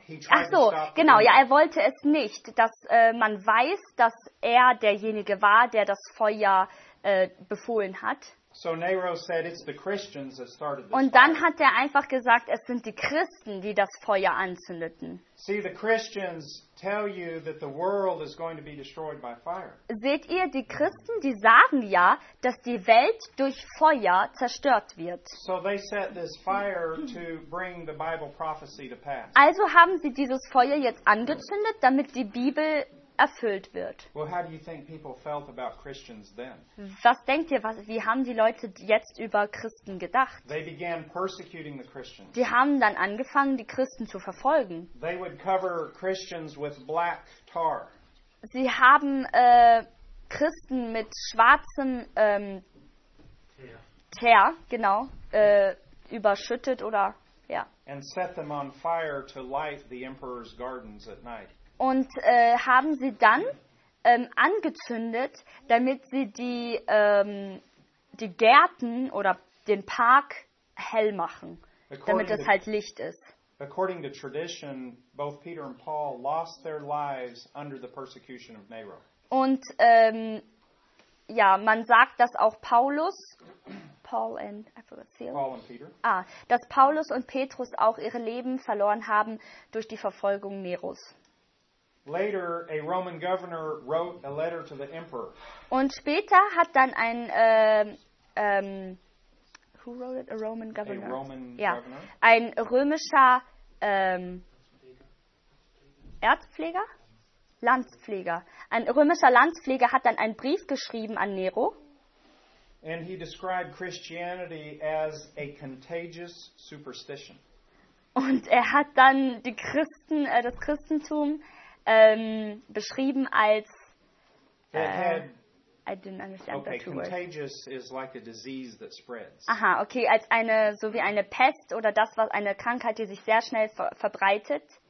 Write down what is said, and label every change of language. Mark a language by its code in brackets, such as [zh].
[de] Ach so, genau, ja, er wollte es nicht, dass man weiß, dass er derjenige war, der das Feuer befohlen hat. [en] So Nero said, it's the Christians that started this [de] Und dann [en] fire. [de] Hat er einfach gesagt, es sind die Christen, die das Feuer anzündeten. [en] See, the Christians tell you that the world is going to be destroyed by fire. [de] Seht ihr, die Christen, die sagen ja, dass die Welt durch Feuer zerstört wird. [en] So they set this fire to bring the Bible prophecy to pass. [de] Also haben sie dieses Feuer jetzt angezündet, damit die Bibel erfüllt wird. [en] Well, how do you think people felt about Christians then? [de] Was denkt ihr, wie haben die Leute jetzt über Christen gedacht? [en] They began persecuting the Christians. [de] Die haben dann angefangen, die Christen zu verfolgen. [en] They would cover Christians with black tar. [de] Sie haben Christen mit schwarzem Teer, genau, überschüttet oder ja. [en] And set them on fire to light the emperor's gardens at night. [de] Und haben sie dann angezündet, damit sie die die Gärten oder den Park hell machen, damit es halt Licht ist. [en] According to tradition, both Peter and Paul lost their lives under the persecution of Nero. [de] Und ja, man sagt, dass auch Paulus und Petrus auch ihre Leben verloren haben durch die Verfolgung Neros. [en] Later, a Roman governor wrote a letter to the emperor. [de] Und später hat dann ein [en] who wrote it? A Roman governor. A Roman governor. [de] Ein römischer Erzpfleger? Landpfleger. Ein römischer Landpfleger hat dann einen Brief geschrieben an Nero. [en] And he described Christianity as a contagious superstition. [de] Und er hat dann die Christen, das Christentum beschrieben als [en] contagious is like a disease that spreads. [de] Aha, okay, als eine, so wie eine Pest oder das, was eine Krankheit, die sich sehr schnell verbreitet.